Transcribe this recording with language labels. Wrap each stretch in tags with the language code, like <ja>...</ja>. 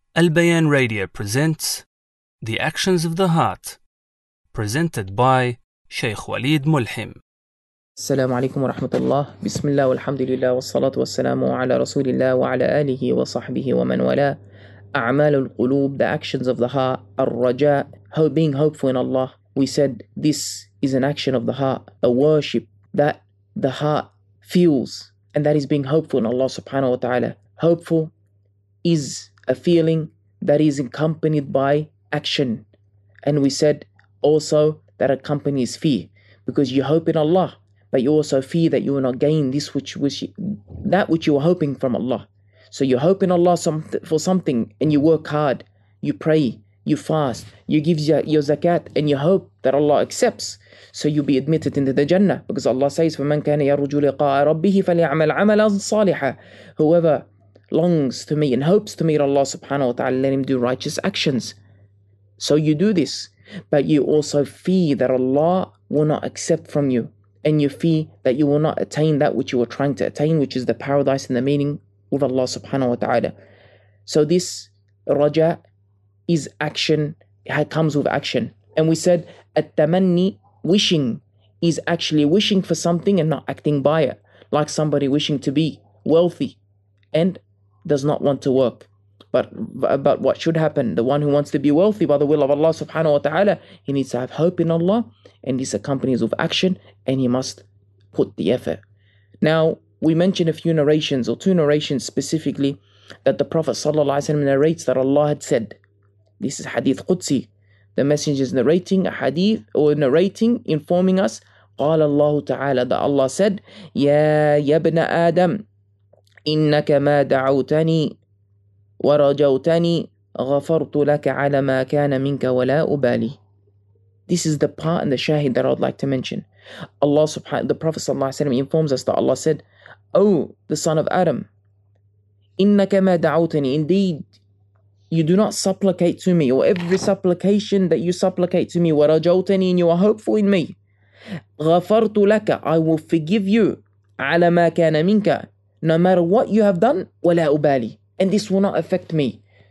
<en>Albayan Radio presents The Actions of the Heart, presented by Sheikh Waleed Mulhim.</en> <ar>السلام عليكم ورحمة الله. بسم الله والحمد لله والصلاة والسلام على رسول الله وعلى آله وصحبه ومن والاه. أعمال القلوب,</ar> <en>The Actions of the Heart, الرجاء, being hopeful in Allah. We said this is an action of the heart, a worship that the heart feels, and that is being hopeful in Allah subhanahu wa ta'ala. Hopeful is a feeling that is accompanied by action. And we said also that accompanies fear, because you hope in Allah, but you also fear that you will not gain this which you are hoping from Allah. So you hope in Allah for something, and you work hard, you pray, you fast, you give your zakat, and you hope that Allah accepts, so you'll be admitted into the Jannah. Because Allah says,</en> <ar>فَمَنْ كَانَ يَرُجُّ لِقَاءَ رَبِّهِ فَلْيَعْمَلْ عَمَلًا صَالِحًا.</ar> <en>Whoever longs to meet and hopes to meet Allah subhanahu wa ta'ala, let him do righteous actions. So you do this, but you also fear that Allah will not accept from you, and you fear that you will not attain that which you are trying to attain, which is the paradise and the meaning with Allah subhanahu wa ta'ala. So this raja is action, it comes with action. And we said, at-tamanni, wishing, is actually wishing for something and not acting by it. Like somebody wishing to be wealthy and does not want to work. But what should happen? The one who wants to be wealthy by the will of Allah subhanahu wa ta'ala, he needs to have hope in Allah, and this accompanies with action, and he must put the effort. Now, we mentioned a few narrations, or two narrations specifically, that the Prophet sallallahu alaihi wasallam narrates that Allah had said. This is hadith Qudsi. The messenger is narrating a hadith, or narrating, informing us,</en> <ar>قال الله تعالى,</ar> <en>that Allah said,</en> <ar>يَا يَبْنَ آدَمْ إِنَّكَ مَا دَعَوْتَنِي وَرَجَوْتَنِي غَفَرْتُ لَكَ عَلَى مَا كَانَ مِنْكَ وَلَا أُبَالِي.</ar> <en>This is the part and the shahid that I would like to mention. Allah subhanahu, the Prophet sallallahu alaihi wasallam informs us that Allah said, oh, the son of Adam,</en> <ar>إِنَّكَ مَا دَعَوْتَنِي,</ar> <en>indeed, you do not supplicate to me, or every supplication that you supplicate to me, وَرَجَوْتَنِي, and you are hopeful in me,</en> <ar>غَفَرْتُ لَكَ,</ar> <en>I will forgive you,</en> <ar>عَلَى مَا كَانَ مِنْكَ,</ar> <en>no matter what you have done,</en> <ar>وَلَا أُبَالِي,</ar> <en>and this will not affect me.</en>